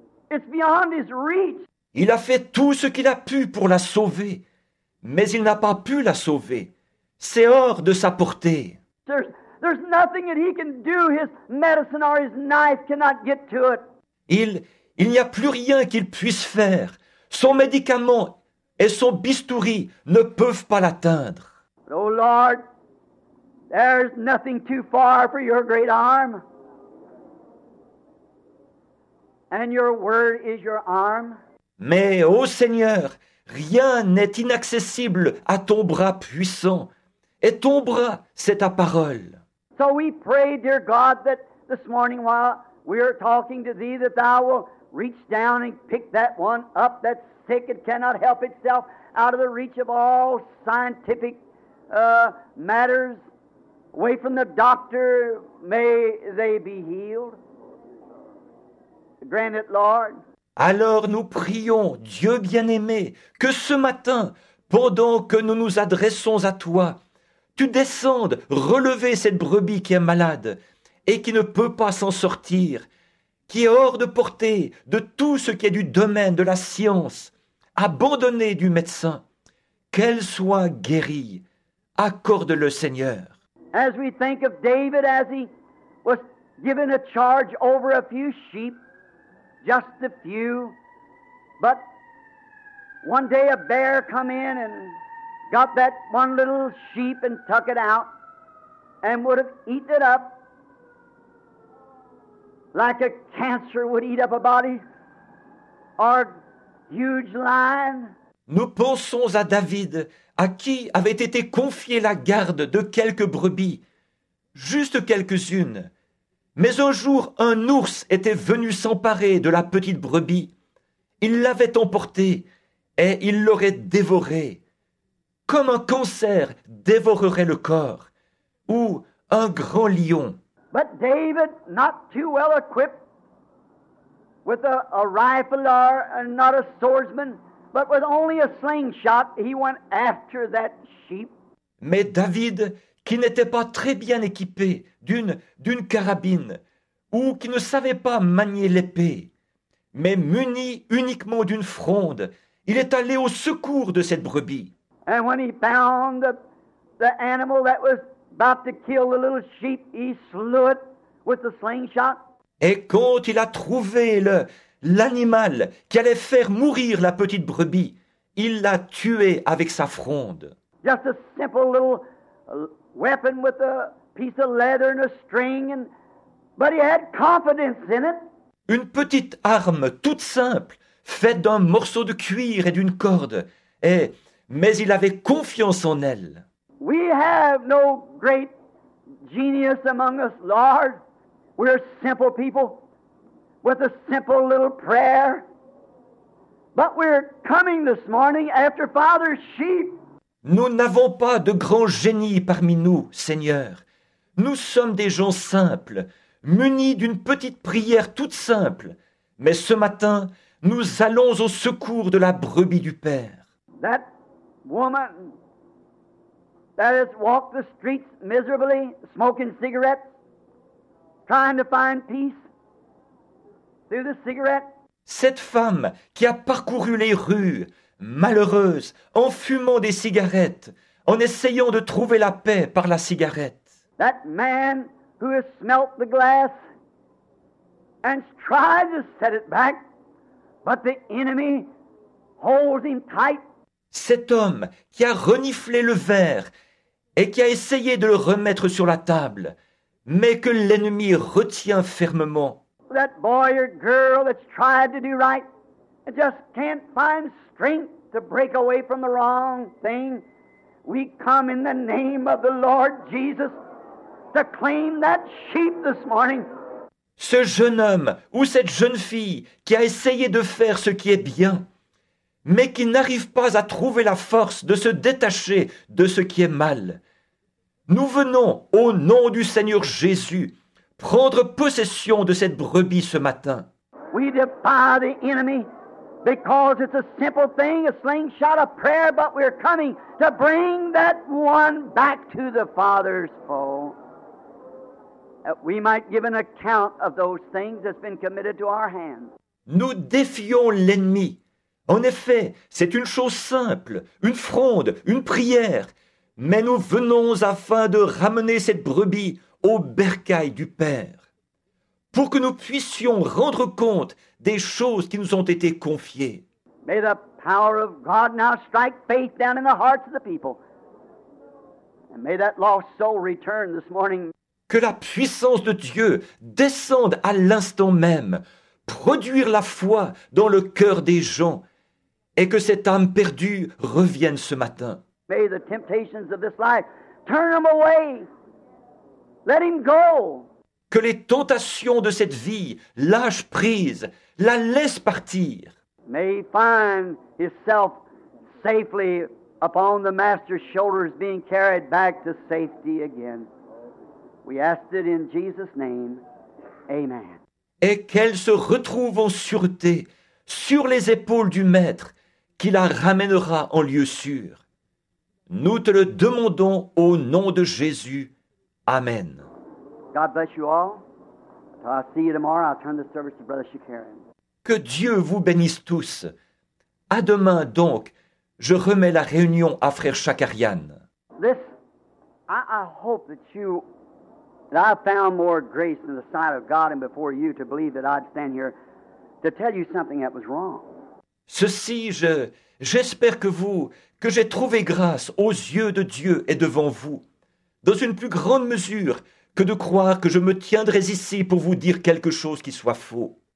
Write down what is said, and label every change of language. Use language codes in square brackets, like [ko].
[en] It's beyond his reach. [fr] Il a fait tout ce qu'il a pu pour la sauver, mais il n'a pas pu la sauver. C'est hors de sa portée. [en] There's nothing that he can do. His medicine or his knife cannot get to it. [fr] Il n'y a plus rien qu'il puisse faire. Son médicament et son bistouri ne peuvent pas l'atteindre. [en] But oh Lord, there's nothing too far for your great arm. And your word is your arm. [fr] Mais ô Seigneur, rien n'est inaccessible à ton bras puissant. Et ton bras, c'est ta parole. [en] So we pray, dear God, that this morning while we are talking to thee, that thou will reach down and pick that one up that's sick and cannot help itself out of the reach of all scientific matters, away from the doctor, may they be healed. Grant it, Lord. [fr] Alors nous prions, Dieu bien-aimé, que ce matin, pendant que nous nous adressons à toi, tu descendes relever cette brebis qui est malade et qui ne peut pas s'en sortir, qui est hors de portée de tout ce qui est du domaine de la science, abandonnée du médecin, qu'elle soit guérie. Accorde-le, Seigneur. [en] As we think of David as he was given a charge over a few sheep, just a few, but one day a bear come in and got that one little sheep and took it out and would have eaten it up like a cancer would eat up a body or a huge lion. [fr] Nous pensons à David, à qui avait été confiée la garde de quelques brebis, juste quelques-unes. Mais un jour, un ours était venu s'emparer de la petite brebis. Il l'avait emportée et il l'aurait dévorée. Comme un cancer dévorerait le corps, ou un grand lion. [en] But David, not too well equipped with a rifle or not a swordsman, but with only a slingshot, he went after that sheep. [fr] Mais David, qui n'était pas très bien équipé d'une carabine, ou qui ne savait pas manier l'épée, mais muni uniquement d'une fronde, il est allé au secours de cette brebis. [en] And when he found the animal that was about to kill the little sheep, he slew it with the slingshot. [fr] Et quand il a trouvé l'animal qui allait faire mourir la petite brebis, il l'a tué avec sa fronde. [en] Just a simple little weapon with a piece of leather and a string, but he had confidence in it. [fr] Une petite arme toute simple, faite d'un morceau de cuir et d'une corde, mais il avait confiance en elle. [en] We have no great genius among us, Lord. We're simple people with a simple little prayer. But we're coming this morning after Father's sheep. [fr] Nous n'avons pas de grand génie parmi nous, Seigneur. Nous sommes des gens simples, munis d'une petite prière toute simple. Mais ce matin, nous allons au secours de la brebis du Père. [en] That woman that has walked the streets miserably, smoking cigarettes, trying to find peace through the cigarette. [fr] Cette femme qui a parcouru les rues, malheureuse, en fumant des cigarettes, en essayant de trouver la paix par la cigarette. [en] That man who has smelt the glass and tried to set it back, but the enemy holds him tight. [fr] Cet homme qui a reniflé le verre et qui a essayé de le remettre sur la table, mais que l'ennemi retient fermement. [en] That boy or girl that's tried to do right and just can't find strength to break away from the wrong thing, we come in the name of the Lord Jesus to claim that sheep this morning. [fr] Ce jeune homme ou cette jeune fille qui a essayé de faire ce qui est bien, mais qui n'arrive pas à trouver la force de se détacher de ce qui est mal. Nous venons, au nom du Seigneur Jésus, prendre possession de cette brebis ce matin. [en] We defy the enemy because it's a simple thing, a slingshot, a prayer, but we're coming to bring that one back to the Father's fold. That we might give an account of those things that's been committed to our hands. [fr] Nous défions l'ennemi. En effet, c'est une chose simple, une fronde, une prière. Mais nous venons afin de ramener cette brebis au bercail du Père, pour que nous puissions rendre compte des choses qui nous ont été confiées. [en] May the power of God now strike faith down in the hearts of the people. And may that lost soul return this morning. [fr] Que la puissance de Dieu descende à l'instant même, produire la foi dans le cœur des gens, et que cette âme perdue revienne ce matin. [en] May the temptations of this life turn him away. Let him go. [fr] Que les tentations de cette vie lâchent prise, la laissent partir. [en] May he find himself safely upon the Master's shoulders, being carried back to safety again. We ask it in Jesus' name. Amen. [fr] Et qu'elle se retrouve en sûreté sur les épaules du Maître, qui la ramènera en lieu sûr. Nous te le demandons au nom de Jésus. Amen. [en] God bless you all. I'll see you tomorrow. I'll turn the service to Brother Shakarian. [fr] Que Dieu vous bénisse tous. À demain donc, je remets la réunion à Frère Shakarian. [en] This, I hope that you, that I found more grace in the sight of God and before you to believe that I'd stand here to tell you something that was wrong. [fr] Ceci, je, J'espère que vous, que j'ai trouvé grâce aux yeux de Dieu et devant vous, dans une plus grande mesure que de croire que je me tiendrais ici pour vous dire quelque chose qui soit faux.